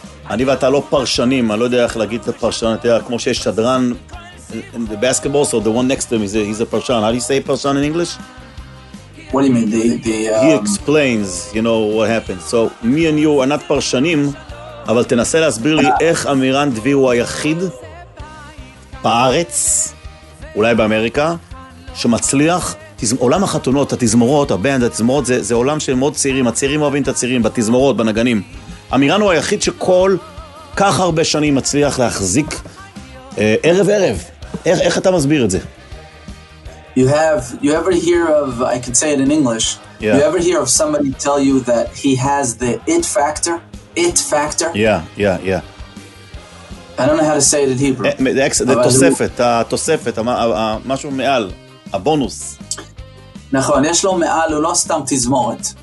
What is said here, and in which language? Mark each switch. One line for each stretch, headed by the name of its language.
Hebrew: אני ואתה לא פרשנים, אני לא יודע איך להגיד את הפרשן, אתה יודע, כמו שיש שדרן
English: in the basketball, so the one next to him, he's a
Hebrew: פרשן.
English: How do you say פרשן in English? What do you mean? He explains, you know, what happened. So me and you are not
Hebrew: פרשנים, אבל תנסה להסביר לי איך אמירן דביר הוא היחיד בארץ, אולי באמריקה, שמצליח עולם החתונות, התזמורות, הבנד, התזמורות, זה עולם של מאוד צעירים, הצעירים אוהבים את הצעירים, בתזמורות, בנגנים. אמירן הוא היחיד שכל כך הרבה שנים מצליח להחזיק ערב ערב. איך אתה מסביר את זה?
English: You ever hear of, I can say it in English, yeah. You ever hear of somebody tell you that he has the it factor? It factor? Yeah. I don't know how to say it in Hebrew.
Hebrew: The תוספת, התוספת, משהו מעל, הבונוס. נכון, יש לו מעל, הוא לא סתם תזמורת.